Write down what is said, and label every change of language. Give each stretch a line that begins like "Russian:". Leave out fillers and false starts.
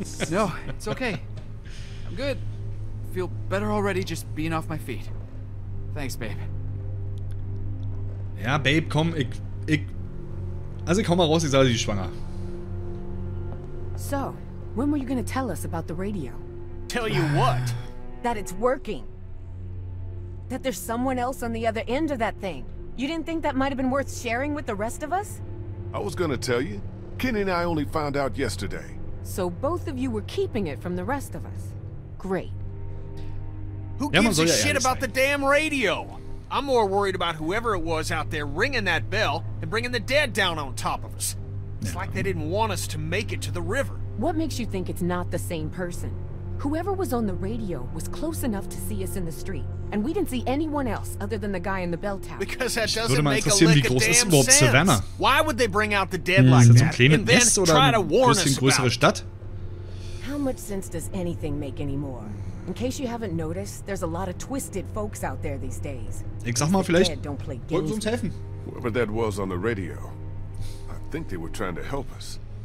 English: No, it's okay. I'm good. Feel better already just being off my feet. Thanks, babe.
German: Ja, babe, komm, ich... Also, ich komm mal raus, ich sage, sie ist schwanger.
English: So, when were you gonna tell us about the radio? Tell you what? That it's working. That there's someone else on the other end of that thing. You didn't think that might have been worth sharing with the rest of us? I was gonna tell you. Kenny and I only found out yesterday. So both of you were keeping it from the rest of us. Great. Who gives a shit about the damn radio? I'm more worried about whoever it was out there ringing that bell and bringing the dead down on top of us. It's like they didn't want us to make it to the river. What makes you think it's not the same person? Whoever was on the radio was close enough to see us in the street, and we didn't see anyone else other than the guy in the bell tower. Because that doesn't make a lick of damn sense. Why would they bring out the dead like that and then try to warn us about it? How much sense does anything make anymore? In case you haven't noticed, there's a lot of twisted folks out there these days.
German: Ich sag mal, vielleicht wollten sie uns helfen.
English: Whoever that was on the radio, I think they were trying to help us.